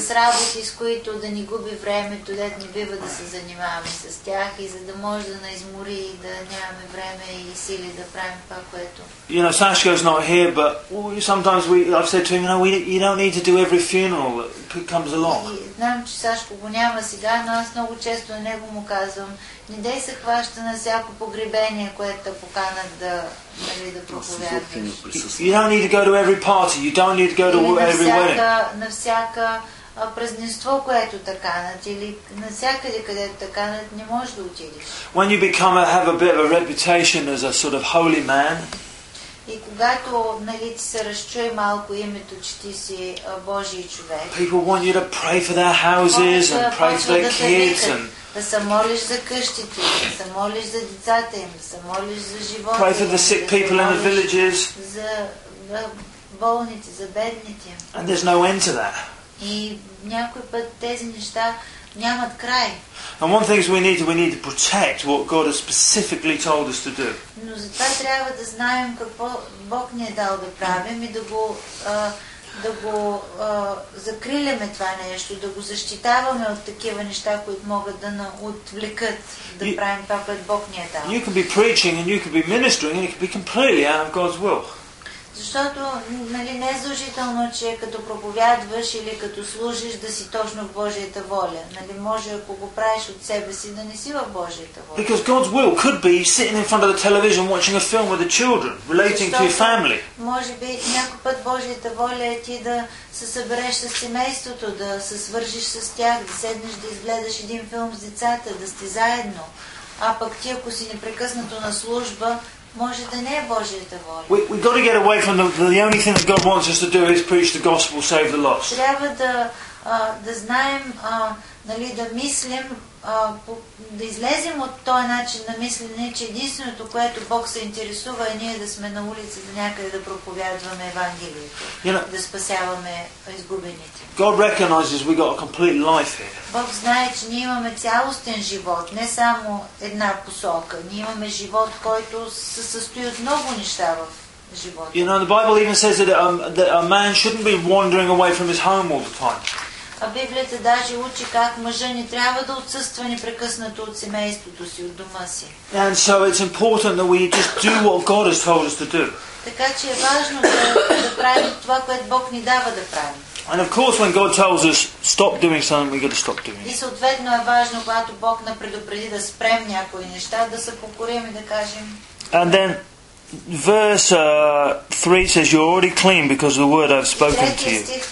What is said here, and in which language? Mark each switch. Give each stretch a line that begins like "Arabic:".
Bulgarian: С работи, с които да ни губи времето, да не бива да се занимаваме с тях, и за да може да наизмори и да нямаме време и сили да правим това, което.
English: You know, Sashko's not here, but sometimes I've said to him, you know, you don't need to do every funeral that comes along.
Bulgarian: Знам, че Сашко го няма сега, но аз много често на него му казвам, не дей се хваща на всяко погребение, което те поканат да проповядваш.
English: You don't need to go to every party, you don't need to go to every wedding.
Bulgarian: На всяка празненство, което те канат, или на всякъде, където те канат, не можеш да отидеш.
English: When you have a bit of a reputation as a sort of holy man,
Bulgarian: и когато, нали, ти се разчуе малко името, че ти си Божий човек,
English: people want you to pray for their houses and pray for their kids and
Bulgarian: да се молиш за къщите, да се молиш за децата им, да се молиш за живота.
English: Pray for the sick people in the villages.
Bulgarian: За болните, за бедните.
English: And there's no end to that.
Bulgarian: И някой път тези неща нямат край.
English: And one thing is we need to protect what God has specifically told us to do.
Bulgarian: Но затова трябва да знаем какво Бог ни е дал да правим и да го закриляме това нещо, да го защитаваме от такива неща, които могат да на отвлекат да
English: you,
Bulgarian: правим това, което Бог ни е дал.
English: You can be preaching and you can be ministering and it can be completely out of God's will.
Bulgarian: Защото, нали, не е задължително, че като проповядваш или като служиш да си точно в Божията воля. Нали, може ако го правиш от себе си, да не си в Божията воля.
English: Because God's will could be sitting in front of the television watching a film with the children, relating
Bulgarian: Защото,
English: to your family.
Bulgarian: Може би някой път Божията воля е ти да се събереш с семейството, да се свържиш с тях, да седнеш да изгледаш един филм с децата, да сте заедно. А пък ти, ако си непрекъснато на служба, може да не е Божията воля.
English: We've got to get away from the only thing that God wants us to do is preach the gospel, save the lost.
Bulgarian: Трябва да знаем, нали, да мислим, да излезем от този начин на мислене, че единственото, което Бог се интересува, е ние да сме на улицата някъде да проповядваме Евангелието,
English: you know,
Bulgarian: да спасяваме изгубените.
English: God recognizes we got a complete life here.
Bulgarian: Бог знае, че ние имаме цялостен живот, не само една посока. Ние имаме живот, който се състои от много неща в живота.
English: You know, the Bible even says that a man shouldn't be wandering away from his home all the time.
Bulgarian: А Библията даже учи как мъжа не трябва да отсъства непрекъснато от семейството си, от дома си.
English: And so it's important that we just do what God has told us to do.
Bulgarian: Така че е важно да правим това, което Бог ни дава да правим.
English: And of course when God tells us stop doing something, we've got to stop doing it.
Bulgarian: И съответно е важно, когато Бог на предупреди да спрем някои неща, да се покорим и да кажем.
English: And then verse 3 says you're already clean because of the word I've spoken to you.